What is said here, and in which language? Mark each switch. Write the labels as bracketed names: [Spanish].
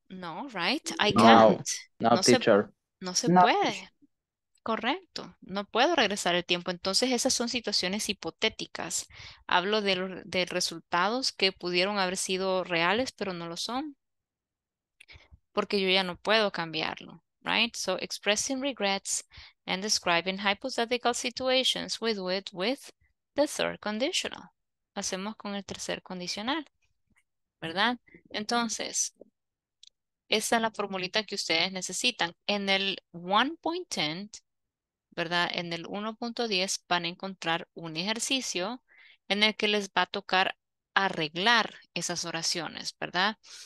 [English] No, right? I can't. No, no, no teacher. [Spanish] No se puede. Correcto. No puedo regresar el tiempo. Entonces, esas son situaciones hipotéticas. Hablo de resultados que pudieron haber sido reales, pero no lo son. Porque yo ya no puedo cambiarlo. [English] Right? So, expressing regrets and describing hypothetical situations, we do it with the third conditional. [Spanish] Hacemos con el tercer condicional, ¿verdad? Entonces, esa es la formulita que ustedes necesitan. En el 1.10, ¿verdad? En el 1.10 van a encontrar un ejercicio en el que les va a tocar arreglar esas oraciones, ¿verdad?